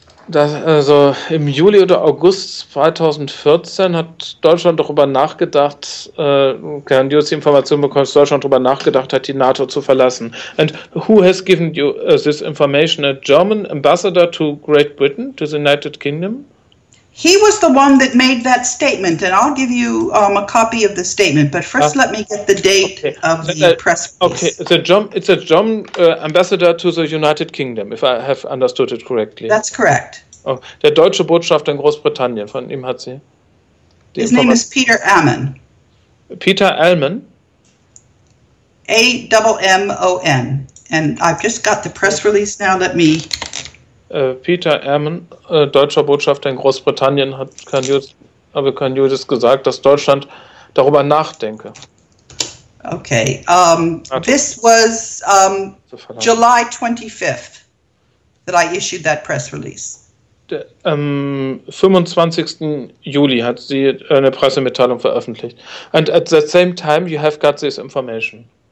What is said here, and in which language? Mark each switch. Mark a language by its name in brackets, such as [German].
[German] Das, also im Juli oder August 2014 hat Deutschland darüber nachgedacht, kann die Information bekommen, dass Deutschland darüber nachgedacht hat, die NATO zu verlassen. [English] And who has given you this information? A German ambassador to Great Britain, to the United Kingdom? He was the one that made that statement, and I'll give you a copy of the statement, but first let me get the date of the press release. Okay, it's a German ambassador to the United Kingdom, if I have understood it correctly. That's correct. [German] Oh, der deutsche Botschafter in Großbritannien, von ihm hat sie... [English] His name is Peter Ammon. Peter Ammon? A-M-M-O-N. And I've just got the press release now, let me... [German] Peter Ammon, deutscher Botschafter in Großbritannien, hat Kern Judis gesagt, dass Deutschland darüber nachdenke. [English] Okay. This was July 25th that I issued that press release. [German] Am 25. Juli hat sie eine Pressemitteilung veröffentlicht. [English] And at the same time you have got this information.